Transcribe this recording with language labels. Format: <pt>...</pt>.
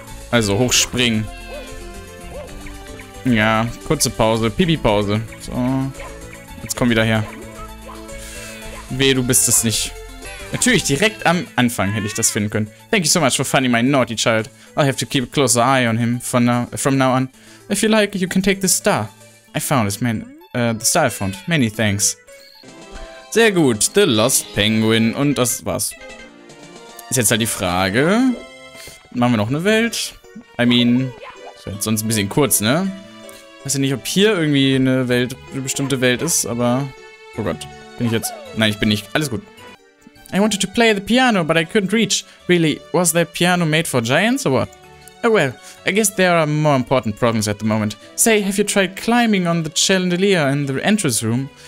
<de>Also, hochspringen. Ja, kurze Pause, Pipi-Pause. So, jetzt komm wieder her. Weh, du bist es nicht. Natürlich, direkt am Anfang hätte ich das finden können.</de> <en>Thank you so much for finding my naughty child. I'll have to keep a closer eye on him from now on. If you like, you can take this star. I found this man. The star I found. Many thanks.</en> <de>Sehr gut,</de> <en>The Lost Penguin.</en> <de>Und das war's. Ist jetzt halt die Frage. Machen wir noch eine Welt?</de> <en>I mean,</en> <de>das wäre sonst ein bisschen kurz, ne? Weiß ja nicht, ob hier irgendwie eine Welt, eine bestimmte Welt ist, aber... Oh Gott, bin ich jetzt... Nein, ich bin nicht. Alles gut.</de> <en>I wanted to play the piano, but I couldn't reach. Really, was that piano made for giants or what? Oh well, I guess there are more important problems at the moment. Say, have you tried climbing on the chandelier in the entrance room?</en>